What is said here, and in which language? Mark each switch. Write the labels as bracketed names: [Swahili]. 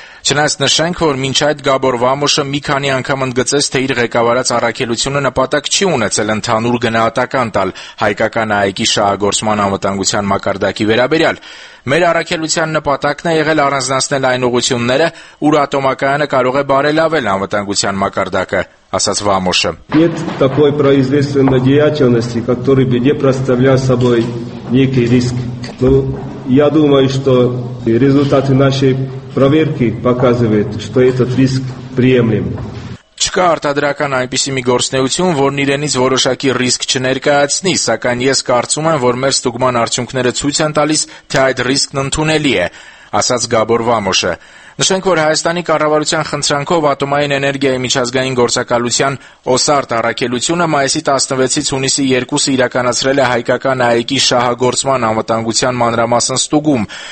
[Armenian] Չնայած նշենք, որ մինչ այդ Գաբոր Վամոշը մի քանի անգամ ընդգծեց, թե իր ղեկավարած առաքելությունը նպատակ չի ունեցել ընդհանուր գնահատական տալ հայկական ԱԷԿ-ի շահագործման անվտանգության մակարդակի վերաբերյալ։ Մեր առաքելության նպատակն է եղել առանձնացնել այն ուղղությունները, ուր ատոմակայանը կարող է բարելավել անվտանգության մակարդակը, ասաց Վամոշը։ [Russian] Нет такой производственной деятельности, который бы не представлял собой некий риск. Ну, я думаю, что результаты нашей проверки показывает, что этот риск приемлем. [Armenian] Չկա արտադրական այնպիսի մի գործնեություն, որն իրենից որոշակի ռիսկ չներկայացնի, սակայն ես կարծում եմ, որ մեր ստուգման արդյունքները ցույց են տալիս, թե այդ ռիսկն ընդունելի է, ասաց Գաբոր Վամոշը։ Նշենք, որ Հայաստանի կառավարության խնդրանքով ատոմային էներգիայի միջազգային գործակալության ՕՍԱՐՏ առաքելությունը մայիսի 16-ից հունիսի 2-ը իրականացրել է հայկական ԱԷԿ-ի շահագործման անվտանգության մանրամասն ստուգում։